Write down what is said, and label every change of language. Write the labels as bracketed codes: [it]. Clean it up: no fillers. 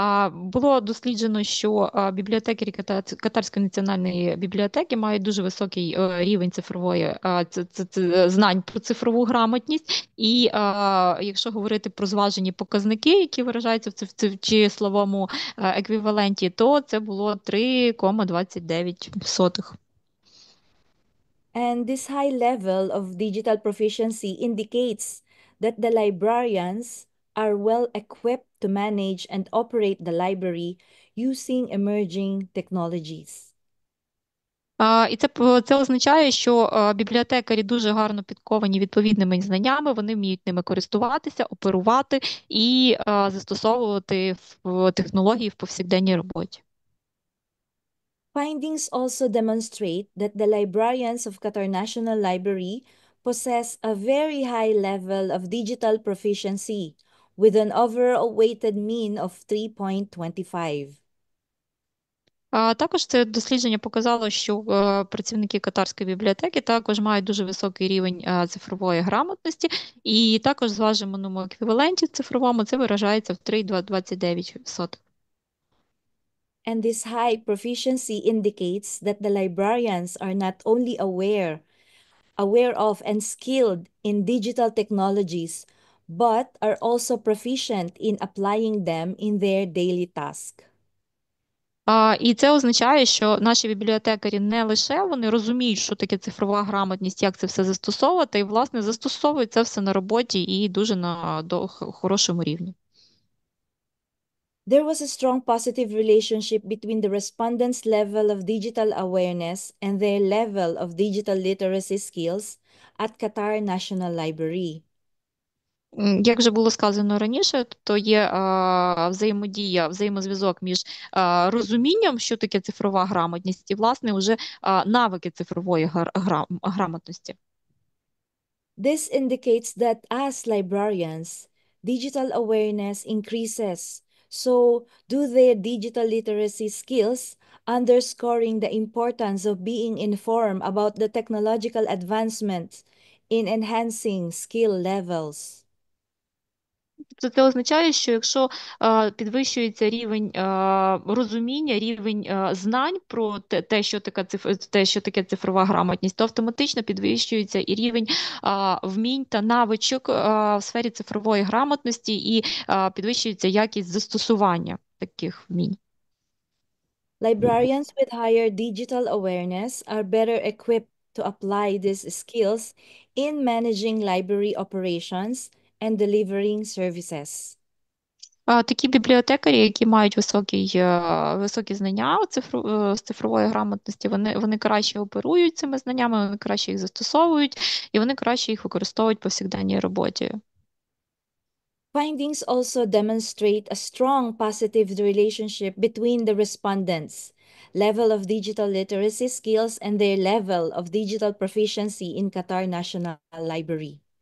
[uk] Було досліджено, що бібліотекарі Катарської національної бібліотеки мають дуже високий рівень цифрової знань про цифрову грамотність. І якщо говорити про зважені показники, які виражаються в числовому еквіваленті, то це було 3,29. [en] And this high level of digital proficiency indicates that the librarians are well equipped to manage and operate the library using emerging technologies. [uk] І це означає, що бібліотекарі дуже гарно підковані відповідними знаннями, вони вміють ними користуватися, оперувати і застосовувати технології в повсякденній роботі. [en] Findings also demonstrate that the librarians of Qatar National Library possess a very high level of digital proficiency, with an overall weighted mean of 3.25. [uk] Також це дослідження показало, що працівники Катарської бібліотеки також мають дуже високий рівень цифрової грамотності, і також зваженому еквіваленті цифровому це виражається в 3,29. [en] And this high proficiency indicates that the librarians are not only aware of and skilled in digital technologies, but are also proficient in applying them in their daily task. [uk] І це означає, що наші бібліотекарі не лише вони розуміють, що таке цифрова грамотність, як це все застосовувати, і, власне, застосовують це все на роботі і дуже на хорошому рівні. [en] There was a strong positive relationship between the respondents' level of digital awareness and their level of digital literacy skills at Qatar National Library. [uk] Як вже було сказано раніше, то є взаємодія, взаємозв'язок між розумінням, що таке цифрова грамотність, і, власне, вже навики цифрової грамотності. [en] This indicates that as librarians, digital awareness increases. So, do their digital literacy skills, underscoring the importance of being informed about the technological advancements in enhancing skill levels? [uk] Це означає, що якщо підвищується рівень розуміння, рівень знань про те, що таке цифрова грамотність, то автоматично підвищується і рівень вмінь та навичок в сфері цифрової грамотності і підвищується якість застосування таких вмінь. [en] Librarians with higher digital awareness are better equipped to apply these skills in managing library operations and delivering services. [uk] Такі бібліотекарі, які мають високі знання з цифрової грамотності, вони краще оперують цими знаннями, вони краще їх застосовують, і вони краще їх використовують в повсякденній роботі. [en] Findings also demonstrate a strong positive relationship between the respondents' level of digital literacy skills and their level of digital proficiency in Qatar National Library.